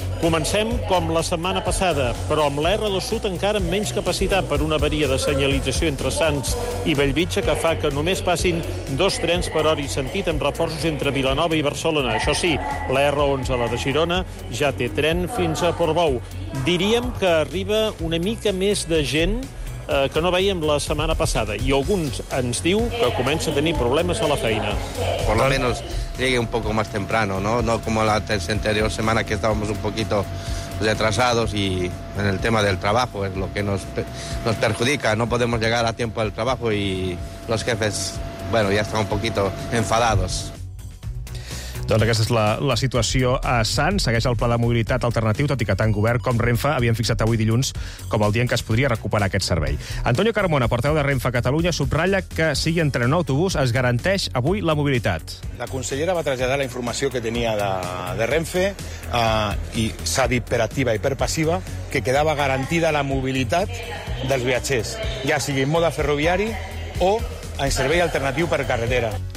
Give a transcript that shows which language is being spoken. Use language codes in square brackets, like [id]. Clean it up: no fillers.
[ca] Comencem com la setmana passada, però amb l'R2 Sud encara amb menys capacitat per una avaria de senyalització entre Sants i Bellvitge que fa que només passin dos trens per hora i sentit amb reforços entre Vilanova i Barcelona. Això sí, l'R11, la de Girona, ja té tren fins a Portbou. Diríem que arriba una mica més de gent que no veiem la setmana passada i alguns ens diu que comença a tenir problemes a la feina. [es] Por lo menos llegue un poco más temprano, ¿no? No como la anterior semana que estábamos un poquito retrasados y en el tema del trabajo es lo que nos perjudica. No podemos llegar a tiempo al trabajo y los jefes, bueno, ya están un poquito enfadados. [ca] Doncs aquesta és la situació a Sants. Segueix el pla de mobilitat alternatiu, tot i que tant Govern com Renfe havien fixat avui dilluns com el dia en què es podria recuperar aquest servei. Antonio Carmona, portaveu de Renfe Catalunya, subratlla que sigui en tren o autobús, es garanteix avui la mobilitat. La consellera va traslladar la informació que tenia de Renfe i s'ha dit per activa i per passiva que quedava garantida la mobilitat dels viatgers, ja sigui en mode ferroviari o en servei alternatiu per carretera.